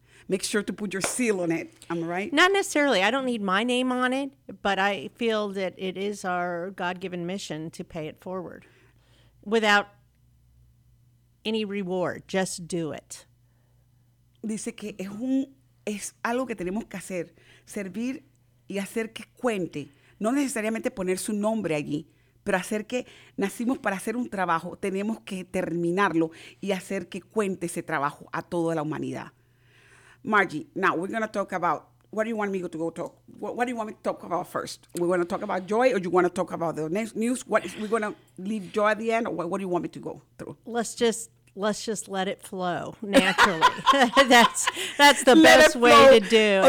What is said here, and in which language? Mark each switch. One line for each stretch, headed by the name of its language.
English: Make sure to put your seal on it. Am I right? Not necessarily. I don't need my name on it, but I feel that it is our God-given mission to pay it forward without any reward. Just do it.
Spanish: Dice que es algo que tenemos que hacer, servir y hacer que cuente. No necesariamente poner su nombre allí, pero hacer que nacimos para hacer un trabajo, tenemos que terminarlo y hacer que cuente ese trabajo a toda la humanidad.
English: Margie, now we're going to talk about, what do you want me to go talk? What do you want me to talk about first? We're going to talk about Joy, or you want to talk about the news? We're going to leave Joy at the end, or what do you want me to go through? Let's just let it flow naturally. that's the let best way to do it.